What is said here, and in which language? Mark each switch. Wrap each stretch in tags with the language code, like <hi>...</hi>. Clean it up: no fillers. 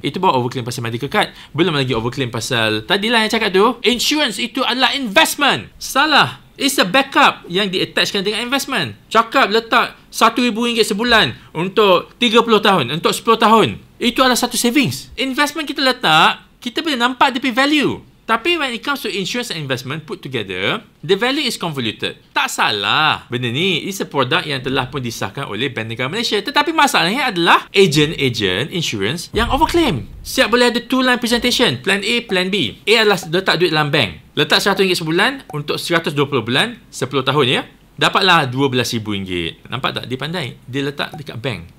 <ms>Itu bawa overclaim pasal medical card. Belum lagi overclaim pasal tadilah yang cakap tu, insurans itu adalah investment. Salah.</ms> <en>It's a backup</en> <ms>yang diattachkan dengan investment. Cakap letak RM1,000 sebulan untuk 30 tahun, untuk 10 tahun. Itu adalah satu savings. Investment kita letak, kita boleh nampak dia punya value.</ms> <en>Tapi when it comes to insurance and investment put together, the value is convoluted.</en> <ms>Tak salah. Benda ni is a product yang telah pun disahkan oleh Bank Negara Malaysia. Tetapi masalahnya adalah agent-agent insurance yang overclaim. Siap boleh ada two line presentation. Plan A, plan B. A adalah letak duit dalam bank. Letak RM100 sebulan untuk 120 bulan, 10 tahun ya. Dapatlah RM12,000. Nampak tak? Dia pandai. Dia letak dekat bank.</ms>